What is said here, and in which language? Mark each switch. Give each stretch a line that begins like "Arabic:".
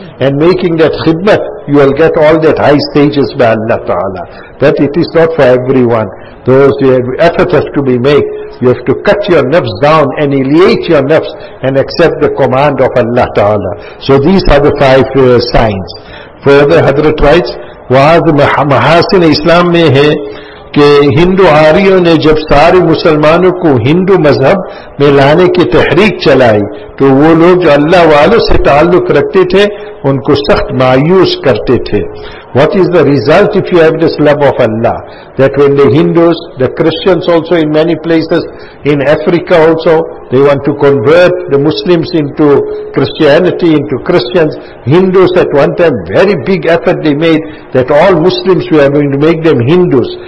English: And making that khidmat, you will get all that high stages by Allah Ta'ala. But it is not for everyone. Those efforts have to be made. You have to cut your nafs down, annihilate your nafs, and accept the command of Allah Ta'ala. So these are the five signs. Further, Hazrat writes,
Urdu: وَعَذْ مَحَاسِنِ اسلام میں ہے کہ ہندو آریوں نے جب سارے مسلمانوں کو ہندو مذہب میں لانے کی تحریک چلائی تو وہ لوگ جو اللہ والوں سے تعلق رکھتے تھے ان کو سخت مایوس کرتے تھے.
English: What is the result if you have this love of Allah? That when the Hindus, the Christians also in many places, in Africa also, they want to convert the Muslims into Christianity, into Christians. Hindus at one time, very big effort they made that all Muslims, we are going to make them Hindus.